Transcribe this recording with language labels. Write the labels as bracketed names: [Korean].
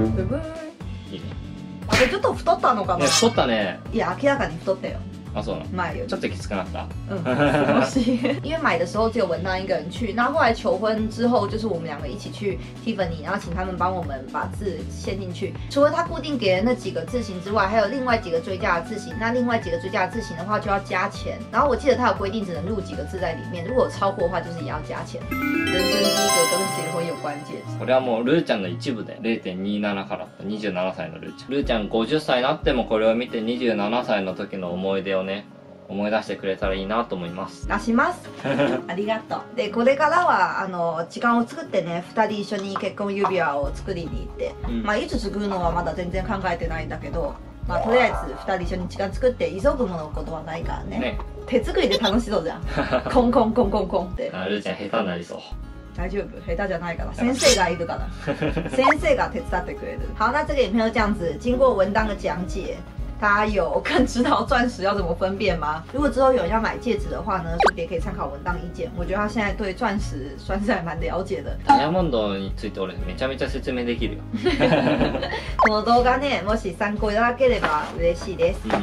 [Japanese] ブブいいね。あれちょっと太ったのかな。ね、太ったね。いや明らかに太ったよ。啊，そうなの。 [Chinese] 前有 [Japanese] ちょっときつくなった。 [Chinese] 嗯，是。因为买的时候只有文丹一个人去，那后来求婚之后，就是我们两个一起去 Tiffany， 然后请他们帮我们把字签进去。除了他固定给的那几个字型之外，还有另外几个追加的字型。那另外几个追加的字型的话，就要加钱。然后我记得他有规定，只能录几个字在里面，如果超过的话，就是也要加钱。人生第一个跟结婚有关戒指。 [Japanese] これはもうルーちゃんの一部で、0.27 から27歳のルーちゃん。ルーちゃん50歳になってもこれを見て27歳の時の思い出を。思い出してくれたらいいなと思います。出します。ありがとう。でこれからはあの時間を作ってね、2人一緒に結婚指輪を作りに行って、うん、まあいつ作るのはまだ全然考えてないんだけど、まあとりあえず2人一緒に時間作って急ぐものことはないから ね手作りで楽しそうじゃん。コンコンコンコンコンって。あるじゃん、下手になりそう。大丈夫、下手じゃないから、先生がいるから。先生が手伝ってくれる。 [Chinese] 好，那这个影片就这样子。经过文丹的讲解，大家有更知道钻石要怎么分辨吗？如果之后有人要买戒指的话呢，顺便可以参考文当意见。我觉得他现在对钻石算是还蛮了解的。 [Japanese] ダイヤモンドについて俺めちゃめちゃ説明できるよ。この動画ね、もし参考いただければ嬉しいです。